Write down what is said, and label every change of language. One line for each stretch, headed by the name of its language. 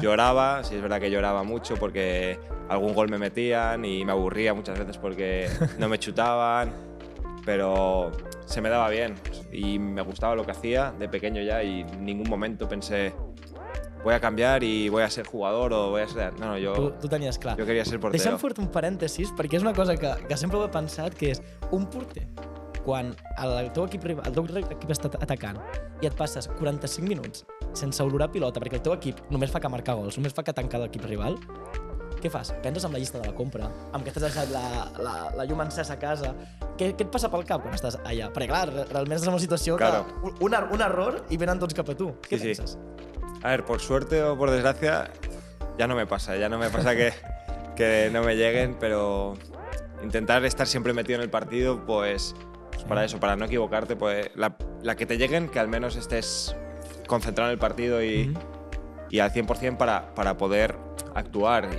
Spanish: Lloraba, sí, es verdad que lloraba mucho porque algún gol me metían y me aburría muchas veces porque no me chutaban, pero se me daba bien y me gustaba lo que hacía de pequeño ya y en ningún momento pensé: voy a cambiar y voy a ser jugador o voy a ser...
Catalan: No, jo... Tu tenies clar. Jo
Spanish: quería
Catalan: ser porter. Deixa'm fer un parèntesis, perquè és una cosa que sempre ho he pensat, que és un porter, quan el teu equip està atacant i et passes 45 minuts sense olorar pilota, perquè el teu equip només fa que marcar gols, només fa que tancar l'equip rival, què fas? Penses en la llista de la compra, amb què t'has deixat la llum encesa a casa? Què et passa pel cap quan estàs allà? Perquè, clar, realment és una situació,
Spanish: claro,
Catalan: que un error i venen tots cap a tu. Què sí, penses? Sí.
Spanish: A ver, por suerte o por desgracia, ya no me pasa que no me lleguen, pero intentar estar siempre metido en el partido, pues para eso, para no equivocarte, pues la que te lleguen, que al menos estés concentrado en el partido y al 100% para poder actuar.